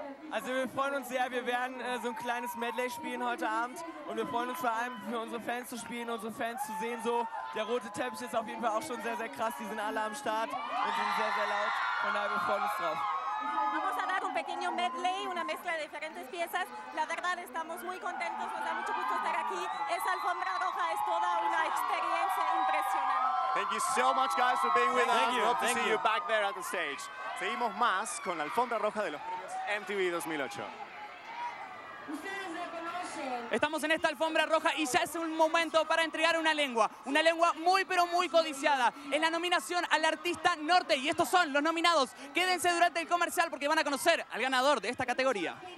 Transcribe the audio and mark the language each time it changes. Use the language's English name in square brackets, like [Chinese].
[German] Also wir freuen uns sehr, wir werden so ein kleines Medley spielen heute Abend und wir freuen uns vor allem für unsere Fans zu spielen, unsere Fans zu sehen. So, der rote Teppich ist auf jeden Fall auch schon sehr, sehr krass, die sind alle am Start und sind sehr, sehr laut, von daher wir freuen uns drauf. [Spanish] Vamos a dar un pequeño medley, una mezcla de diferentes piezas. La verdad, estamos muy contentos, nos da mucho gusto estar aquí. Esa alfombra roja es toda una experiencia impresionante. [English] Thank you so much, guys, for being with us. Hope to see you back there at the stage. [Spanish] Seguimos más con la alfombra roja de los MTV 2008. Estamos en esta alfombra roja y ya es un momento para entregar una lengua muy pero muy codiciada, en la nominación al artista norte. Y estos son los nominados. Quédense durante el comercial porque van a conocer al ganador de esta categoría.